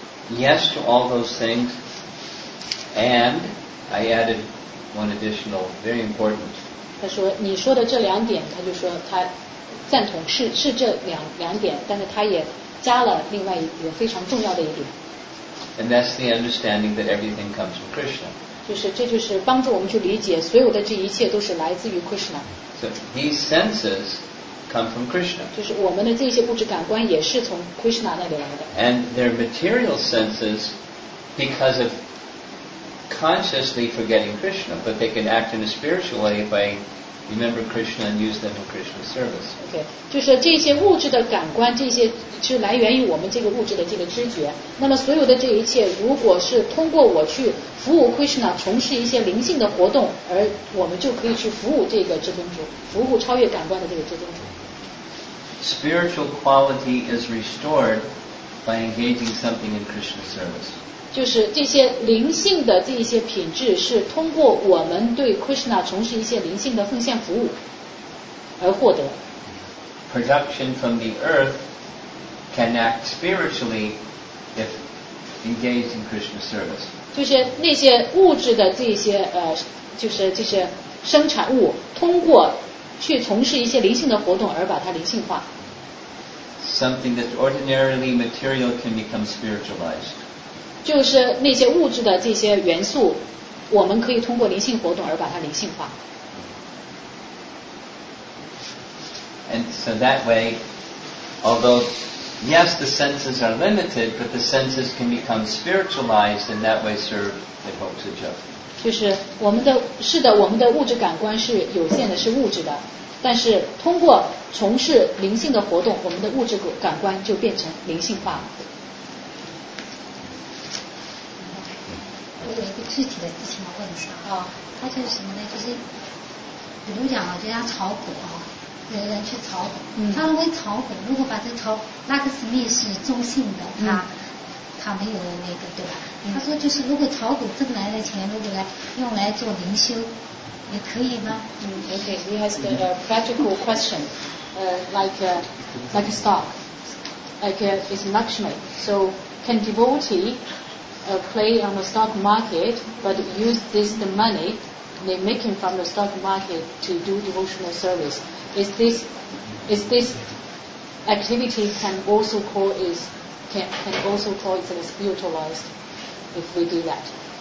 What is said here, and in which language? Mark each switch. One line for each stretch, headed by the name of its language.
English: Yes to all those things and I added one additional very important
Chinese: 他说你说的这两点他就说他赞同是这两点但是他也加了另外一个非常重要的一点
English: and that's the understanding that everything comes from Krishna
Chinese: 就是这就是帮助我们去理解所有的这一切都是来自于 Krishna
English: so these senses come from Krishna
Chinese: 就是我们的这些物质感官也是从 Krishna 那里来的
English: and their material senses because ofconsciously forgetting Krishna but they can act in a spiritual way if I remember Krishna and use them for Krishna's service
Chinese: okay 就是这些物质的感官这些是来源于我们这个物质的这个知觉那么所有的这一切如果是通过我去服务 Krishna 从事一些灵性的活动而我们就可以去服务这个至尊主服务超越感官的这个至尊主
English: spiritual quality is restored by engaging something in Krishna's service
Chinese: 就是这些灵性的这些品质是通过我们对 Krishna 从事一些灵性的奉献服务而获得
English: Production from the earth can act spiritually if engaged in Krishna's service
Chinese: 就是那些物质的这些就是这些生产物通过去从事一些灵性的活动而把它灵性化
English: Something that's ordinarily material can become spiritualized
Chinese: 就是那些物质的这些元素我们可以通过灵性活动而把它灵性化
English: and so that way although yes the senses are limited but the senses can become spiritualized and that way serve the bhoksaja
Chinese: 就是我们的是的我们的物质感官是有限的是物质的但是通过从事灵性的活动我们的物质感官就变成灵性化了我有一个具体的事情要问一下啊，它就是什么呢？就是比如讲啊，就像炒股啊，有人去炒股，他认为炒股如果把这炒拉克斯密是中性的，他没有那个对吧？他说就是如果炒股挣来的钱，如果来用来做灵修，也可以吗？
English: Okay, he has the practical question, like a stock, like it's Lakshmi. So can devotee? Play on the stock market but use this the money they making from the stock market to do devotional service is this activity can also call it spiritualized if we do that